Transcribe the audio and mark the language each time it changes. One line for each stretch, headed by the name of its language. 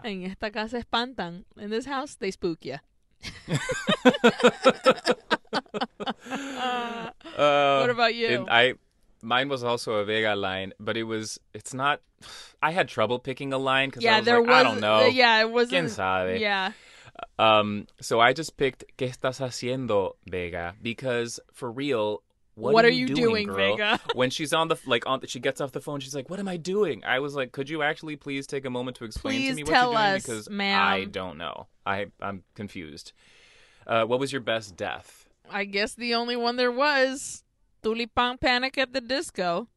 Spanish: En esta casa espantan.
English: In this house, they spook you. What about you? Mine was also a Vega line, but it's not. I had trouble picking a line because was, I don't know. It wasn't.
Spanish: ¿Quién sabe?
English: Yeah. So I just picked
Spanish: ¿Qué estás haciendo, Vega?
English: Because for real, what are you doing, girl? Vega? When she's on the she gets off the phone, she's like, "What am I doing?" I was like, "Could you actually please take a moment to explain please to me what you're doing?" Please tell us, because ma'am. I don't know. I'm confused. What was your best death? I guess the only one there was Tulipán Panic at the Disco.